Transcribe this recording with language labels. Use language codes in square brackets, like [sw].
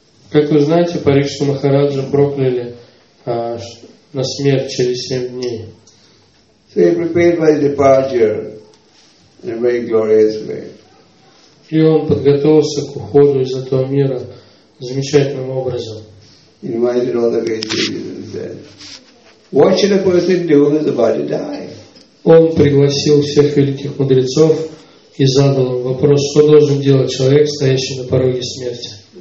[ru] Как вы знаете, Парикшит Махараджа прокляли на смерть через 7 дней. [en] So he prepared for his departure in a very glorious way. [ru] И он подготовился к уходу из этого мира замечательным образом. [en] He invited all the Vaishnavas and said, what should a person do who is about to die? [ru] Он пригласил всех великих мудрецов и задал им вопрос, что должен делать человек, стоящий на пороге смерти.